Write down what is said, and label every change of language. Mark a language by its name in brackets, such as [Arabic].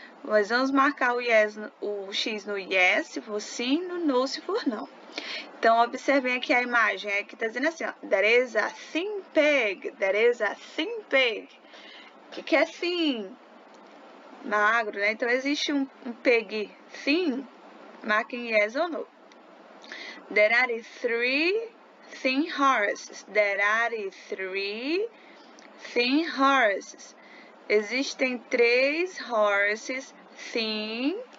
[Portuguese] Nós vamos marcar o X no yes, se for sim, no no, se for não. Então, observem aqui a imagem. É que está dizendo assim, ó. [English] There is a thin pig. There is a thin pig. [Portuguese] O que, que é thin? Magro, né? Então, existe um pig thin. Marquem yes ou no. [English] There are three thin horses. There are three thin horses. [Portuguese] Existem três horses thin.